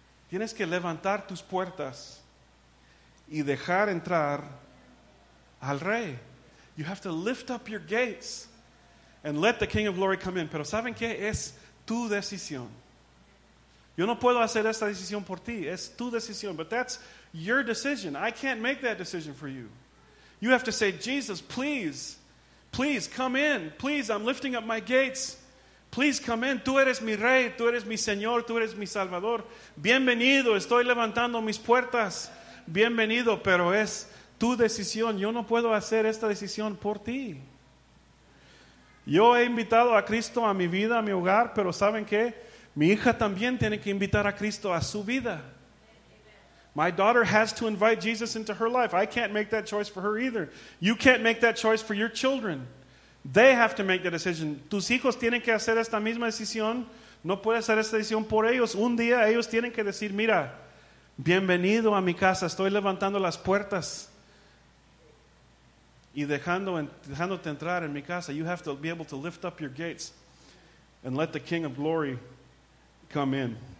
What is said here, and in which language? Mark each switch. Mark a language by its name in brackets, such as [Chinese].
[Spanish] Tienes que levantar tus puertas y dejar entrar al Rey. [English] You have to lift up your gates and let the King of Glory come in. [Spanish] Pero ¿saben qué? Es tu decisión. Yo no puedo hacer esta decisión por ti. Es tu decisión. [English] But that's your decision. I can't make that decision for you. You have to say, Jesus, please, please come in. Please, I'm lifting up my gates. Please come in. [Spanish] Tú eres mi Rey. Tú eres mi Señor. Tú eres mi Salvador. Bienvenido. Estoy levantando mis puertas. Bienvenido. Pero es tu decisión. Yo no puedo hacer esta decisión por ti. Yo he invitado a Cristo a mi vida, a mi hogar, pero ¿saben qué? Mi hija también tiene que invitar a Cristo a su vida. [English] My daughter has to invite Jesus into her life. I can't make that choice for her either. You can't make that choice for your children. They have to make the decision. [Spanish] Tus hijos tienen que hacer esta misma decisión. No puedes hacer esta decisión por ellos. Un día ellos tienen que decir, mira, bienvenido a mi casa. Estoy levantando las puertas y dejándote entrar en mi casa. [English] You have to be able to lift up your gates and let the King of Glory come in.